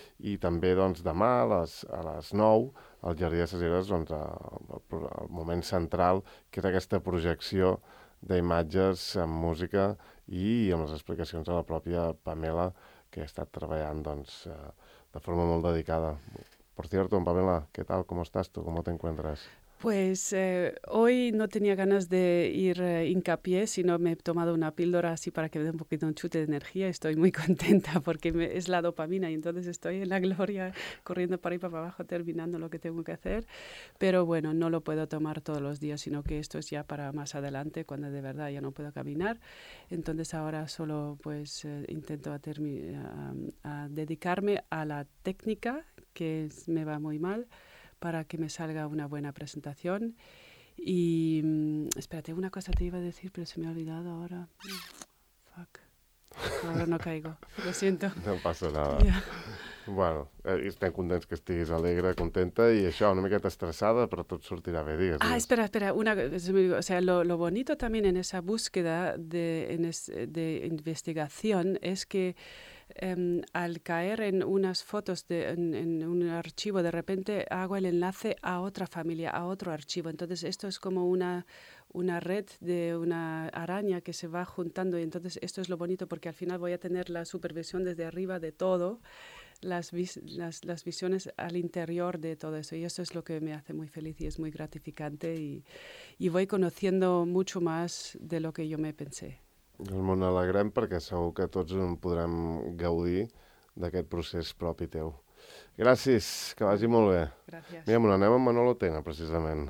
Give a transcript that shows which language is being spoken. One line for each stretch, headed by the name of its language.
Catalan: I també doncs, demà a les 9 al Jardí de Ses Eres, doncs, el moment central, que és aquesta projecció d'imatges amb música i amb les explicacions de la pròpia Pamela, que ha estat treballant doncs, de forma molt dedicada.
Spanish: Por cierto, Pamela, ¿qué tal? ¿Cómo estás tú? ¿Cómo te encuentras? Pues hoy no tenía ganas de ir hincapié, sino me he tomado una píldora así para que me dé un poquito un chute de energía. Estoy muy contenta porque es la dopamina y entonces estoy en la gloria corriendo para ahí para abajo terminando lo que tengo que hacer. Pero bueno, no lo puedo tomar todos los días, sino que esto es ya para más adelante cuando de verdad ya no puedo caminar. Entonces ahora solo pues intento a dedicarme a la técnica, que me va muy mal, para que me salga una buena presentación. Y espérate, una cosa te iba a decir, pero se me ha olvidado ahora.
English: Fuck.
Spanish: Ahora no caigo. Lo siento. No pasa nada.
English: Yeah.
Catalan: Bueno, estem contents que estiguis alegre, contenta, i això, una miqueta estressada, però tot sortirà bé, digues.
Spanish: Ah, espera. O sea, lo bonito también en esa búsqueda de investigación es que al caer en unas fotos en un archivo, de repente hago el enlace a otra familia, a otro archivo. Entonces esto es como una red de una araña que se va juntando, y entonces esto es lo bonito porque al final voy a tener la supervisión desde arriba de todo, las visiones al interior de todo eso, y eso es lo que me hace muy feliz y es muy gratificante, y voy conociendo mucho más de lo que yo me pensé.
Catalan: Doncs m'ho alegrem perquè segur que tots en podrem gaudir d'aquest procés propi teu. Gràcies, que vagi molt bé. Gràcies. Mira, anem amb Manolo Tena, precisament.